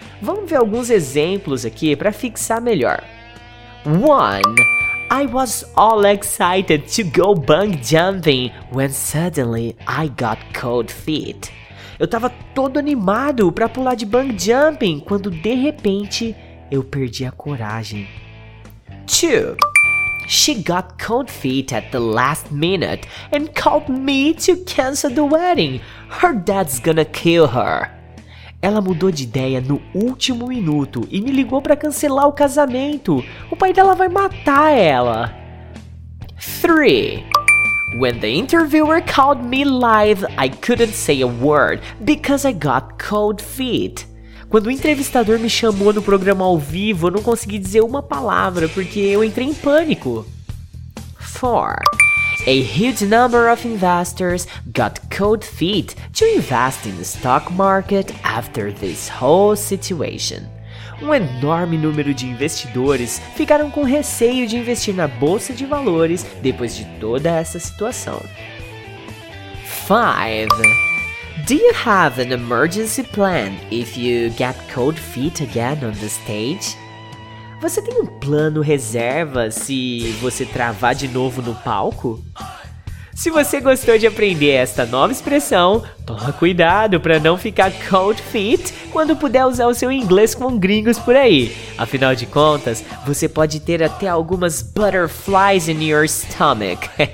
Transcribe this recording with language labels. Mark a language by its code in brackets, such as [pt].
[pt] Vamos ver alguns exemplos aqui para fixar melhor. 1. [en] I was all excited to go bungee jumping when suddenly I got cold feet. [pt] Eu tava todo animado para pular de bungee jumping quando de repente eu perdi a coragem. 2. [en] She got cold feet at the last minute and called me to cancel the wedding. Her dad's gonna kill her. [pt] Ela mudou de ideia no último minuto e me ligou para cancelar o casamento. O pai dela vai matar ela. 3. [en] When the interviewer called me live, I couldn't say a word because I got cold feet. [pt] Quando o entrevistador me chamou no programa ao vivo, eu não consegui dizer uma palavra porque eu entrei em pânico. 4. [en] A huge number of investors got cold feet to invest in the stock market after this whole situation. [pt] Um enorme número de investidores ficaram com receio de investir na bolsa de valores depois de toda essa situação. 5. [en] Do you have an emergency plan if you get cold feet again on the stage? [pt] Você tem um plano reserva se você travar de novo no palco? Se você gostou de aprender esta nova expressão, toma cuidado para não ficar cold feet quando puder usar o seu inglês com gringos por aí. Afinal de contas, você pode ter até algumas [en] butterflies in your stomach.